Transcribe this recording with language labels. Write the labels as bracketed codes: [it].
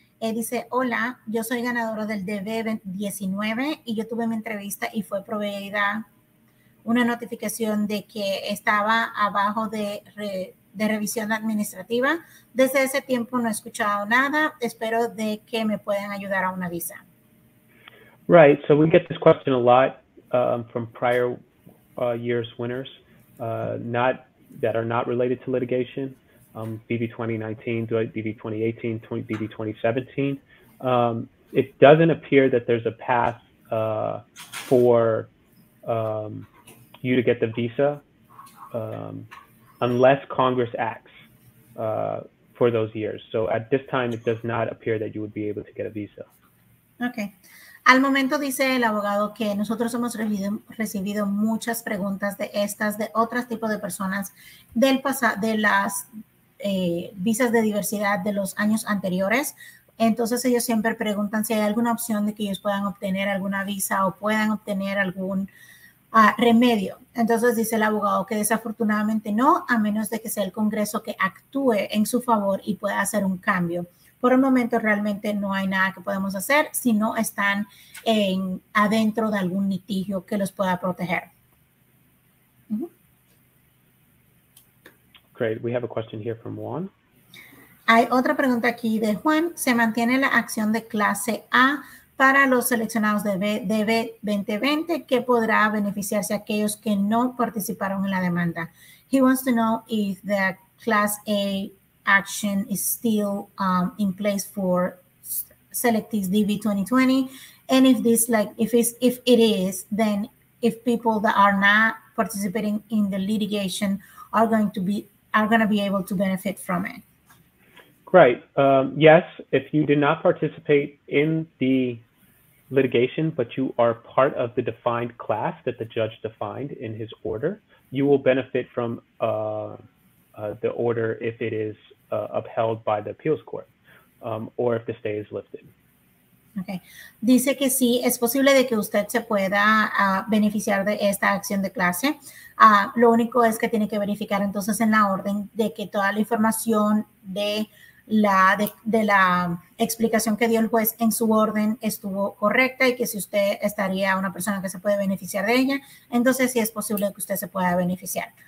[es] Dice, hola, yo soy ganadora del DV 19 y yo tuve mi entrevista y fue proveída una notificación de que estaba abajo de revisión administrativa. Desde ese tiempo no he escuchado nada. Espero de que me puedan ayudar a una visa. [en] Right, so we get this question a lot. From prior year's winners, not that are not related to litigation, DV 2019, DV 2018, DV 2017. It doesn't appear that there's a path for you to get the visa unless Congress acts for those years. So at this time, it does not appear that you would be able to get a visa. Okay. [es] Al momento dice el abogado que nosotros hemos recibido muchas preguntas de estas, de otros tipos de personas, de las visas de diversidad de los años anteriores. Entonces ellos siempre preguntan si hay alguna opción de que ellos puedan obtener alguna visa o puedan obtener algún remedio. Entonces dice el abogado que desafortunadamente no, a menos de que sea el Congreso que actúe en su favor y pueda hacer un cambio. Por el momento realmente no hay nada que podemos hacer si no están adentro de algún litigio que los pueda proteger. [en] Great. We have a question here from Juan. [es] Hay otra pregunta aquí de Juan. ¿Se mantiene la acción de clase A para los seleccionados de B-2020 que podrá beneficiarse a aquellos que no participaron en la demanda? [en] He wants to know if the class A action is still in place for selectees DB 2020 and if this like if it's if it is then if people that are not participating in the litigation are going to be able to benefit from it. Right. Yes, if you did not participate in the litigation, but you are part of the defined class that the judge defined in his order, you will benefit from the order if it is upheld by the appeals court or if the stay is lifted. Okay. [es] Dice que sí, es posible de que usted se pueda beneficiar de esta acción de clase. Lo único es que tiene que verificar entonces en la orden de que toda la información de la explicación que dio el juez en su orden estuvo correcta y que si usted estaría una persona que se puede beneficiar de ella, entonces sí es posible que usted se pueda beneficiar.